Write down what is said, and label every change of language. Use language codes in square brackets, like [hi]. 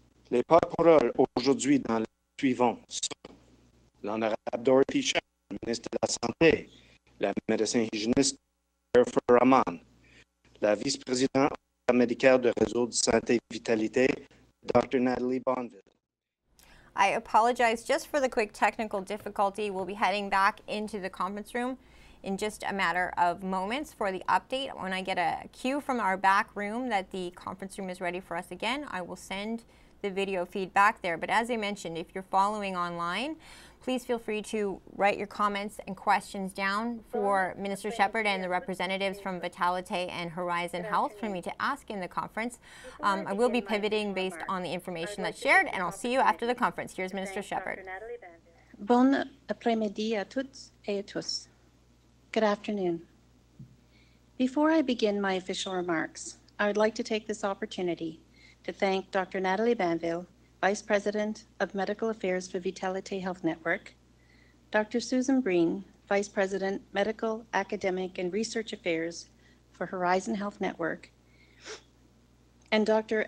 [fr] Les porte-parole aujourd'hui dans le suivant sont l'honorable Dorothy Shephard, ministre de la Santé, la médecin hygiéniste Jennifer Rahman, la vice-présidente médicale du réseau de santé Vitalité, Dr. Natalie Bonneville. [en] I apologize just for the quick technical difficulty. We'll be heading back into the conference room in just a matter of moments for the update. When I get a cue from our back room that the conference room is ready for us again, I will send the video feedback there. But as I mentioned, if you're following online, please feel free to write your comments and questions down for Minister Shephard and the representatives from Vitalite and Horizon Health for me to ask in the conference. I will be pivoting based on the information that's shared, and I'll see you after the conference. Here's Minister Shephard. [fr] Bon après-midi à toutes et à tous. [en] Good afternoon. Before I begin my official remarks, I would like to take this opportunity to thank Dr. Natalie Banville, Vice President of Medical Affairs for Vitality Health Network, Dr. Susan Breen, Vice President, Medical, Academic, and Research Affairs for Horizon Health Network, and Dr.